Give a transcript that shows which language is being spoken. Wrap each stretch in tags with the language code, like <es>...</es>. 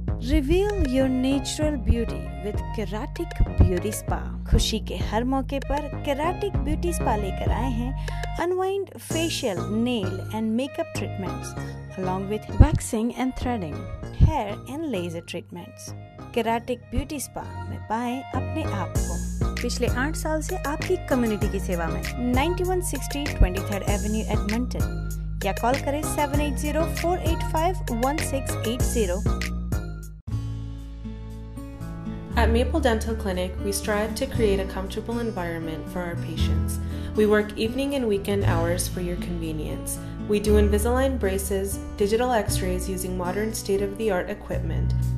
<en>Reveal your natural beauty with Keratic Beauty Spa.</en> <hi>खुशी के हर मौके पर Keratic Beauty Spa लेकर आए हैं</hi> <en>unwind facial, nail and makeup treatments along with waxing and threading, hair and laser treatments.</en> <hi>केराटिक beauty spa में पाएं अपने आप को। पिछले 8 साल से आपकी कम्युनिटी की सेवा में 9160 23rd Avenue एडमंटन या कॉल करें 780-485-1680।</hi> <en>At Maple Dental Clinic, we strive to create a comfortable environment for our patients. We work evening and weekend hours for your convenience. We do Invisalign braces, digital x-rays using modern state-of-the-art equipment.</en>